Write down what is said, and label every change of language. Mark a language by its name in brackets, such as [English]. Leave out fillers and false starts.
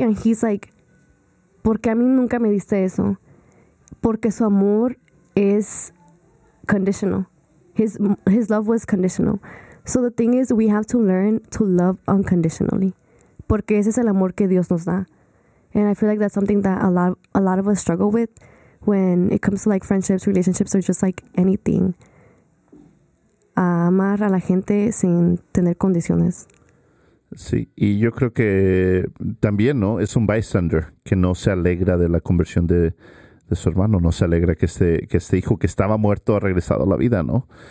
[English] And he's like, [Spanish] ¿por qué a mí nunca me diste eso? Porque su amor es conditional. [English] His love was conditional. So the thing is, we have to learn to love unconditionally. [Spanish] Porque ese es el amor que Dios nos da. [English] And I feel like that's something that a lot of us struggle with when it comes to like friendships, relationships, or just like anything. [Spanish] A amar a la gente sin tener condiciones. Sí, y yo creo que también, ¿no? Es un bystander que no se alegra de la conversión de su hermano. No se alegra que este hijo que estaba muerto ha regresado a la vida, ¿no?